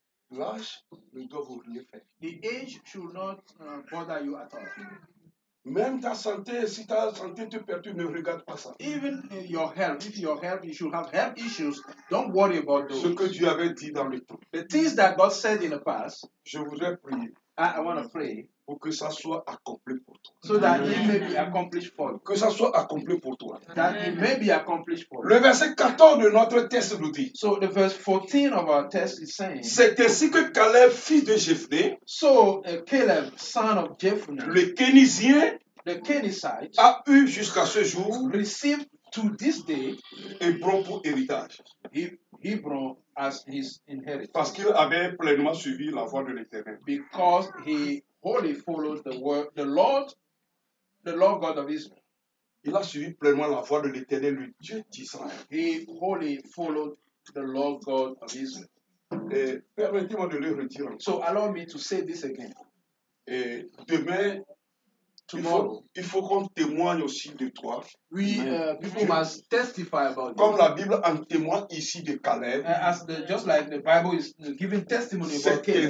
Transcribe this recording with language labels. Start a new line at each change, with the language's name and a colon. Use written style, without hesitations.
French: L'âge ne doit vous rien faire.
English: The age should not bother you at all.
French: Même ta santé, si ta santé te perturbe, ne regarde pas ça.
English: Even in your health, if your health, you should have health issues, don't worry about those.
French: Ce que Dieu avait dit dans le temps.
English: The things that God said in the past.
French: Je voudrais prier.
English: I want to pray.
French: Pour que ça soit accompli pour toi.
English: So that it may be accomplished for you.
French: Que ça soit accompli pour toi.
English: That it may be accomplished for you.
French: Le verset 14 de notre texte nous dit.
English: So the verse 14 of our text is saying.
French: C'est ainsi que Caleb, fils de Jephné.
English: So Caleb, son of Jephné.
French: Le Kenizien.
English: The Kenizzite.
French: A eu jusqu'à ce jour.
English: Received to this day.
French: Hébron pour héritage.
English: Hébron. As his inheritance.
French: Parce qu'il avait pleinement suivi la voie de l'Éternel.
English: Because he wholly followed the word, the Lord God of Israel.
French: Il a suivi pleinement la voie de l'Éternel, le Dieu d'Israël.
English: He wholly followed the Lord God of Israel.
French: Et permettez-moi de le redire.
English: So allow me to say this again.
French: Et demain,
English: tomorrow,
French: il faut qu'on témoigne aussi de toi.
English: People must testify about you.
French: Comme la Bible en témoigne ici de Caleb.
English: Just like the Bible is giving testimony about Caleb.